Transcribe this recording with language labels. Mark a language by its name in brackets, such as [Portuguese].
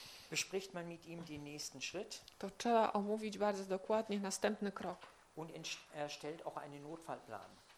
[German] bespricht man mit ihm den nächsten Schritt. [Polish] To trzeba omówić bardzo dokładnie następny krok. [German] Und erstellt auch einen Notfallplan.